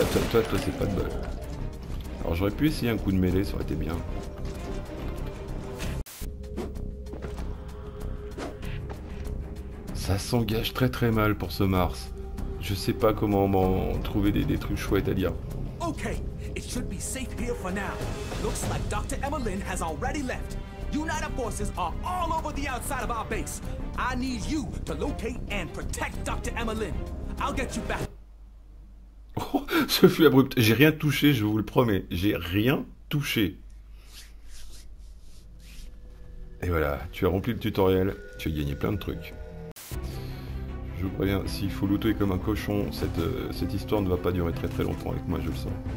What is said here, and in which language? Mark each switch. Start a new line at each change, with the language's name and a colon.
French: Toi, c'est pas de bol. Alors j'aurais pu essayer un coup de mêlée, ça aurait été bien. Ça s'engage très très mal pour ce Mars. Je sais pas comment m'en trouver des trucs chouettes à dire.
English: Ok, it should be safe here for now. Looks like Dr. Emmeline has already left. United forces are all over the outside of our base. I need you to locate and protect Dr. Emmeline. I'll get you back.
French: Oh, ce fut abrupt. J'ai rien touché, je vous le promets. J'ai rien toucher. Et voilà, tu as rempli le tutoriel, tu as gagné plein de trucs. Je vous préviens, s'il faut looter comme un cochon, cette histoire ne va pas durer très très longtemps avec moi, je le sens.